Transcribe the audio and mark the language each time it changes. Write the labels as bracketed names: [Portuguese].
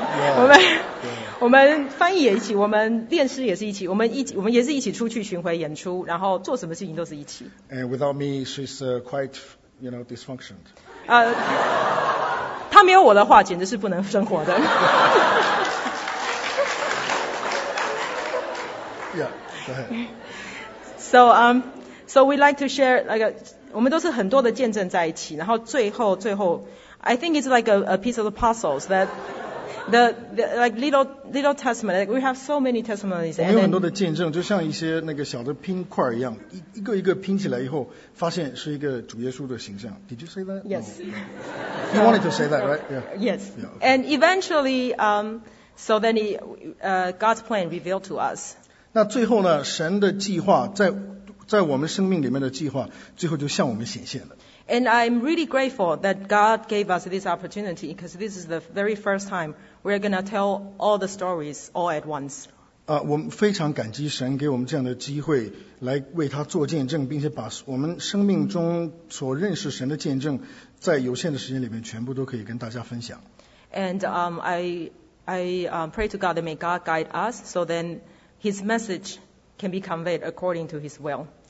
[Chinese] 我们我们翻译也一起，我们练诗也是一起，我们也是一起出去巡回演出，然后做什么事情都是一起。 [English] And without me, she's quite, you know, dysfunctioned. [Chinese] 她没有我的话，简直是不能生活的。 [English] Yeah, go ahead. So we like to share, like, [Chinese] 我们都是很多的见证在一起，然后最后 [English] I think it's like a piece of the puzzles that the like little testimony, like we have so many testimonies. [Chinese] 我们有很多的见证，就像一些那个小的拼块一样，一个一个拼起来以后，发现是一个主耶稣的形象。 [English] Did you say that? Yes. No. You wanted to say that, right? Yeah. Yes. Yeah, okay. And eventually, so then God's plan revealed to us. [Chinese] 那最后呢，神的计划在我们生命里面的计划，最后就向我们显现了。 [English] And I'm really grateful that God gave us this opportunity because this is the very first time we're going to tell all the stories all at once. [Chinese] 我们非常感激神给我们这样的机会来为他做见证，并且把我们生命中所认识神的见证，在有限的时间里面全部都可以跟大家分享。 [English] And I pray to God that may God guide us so then His message can be conveyed according to His will.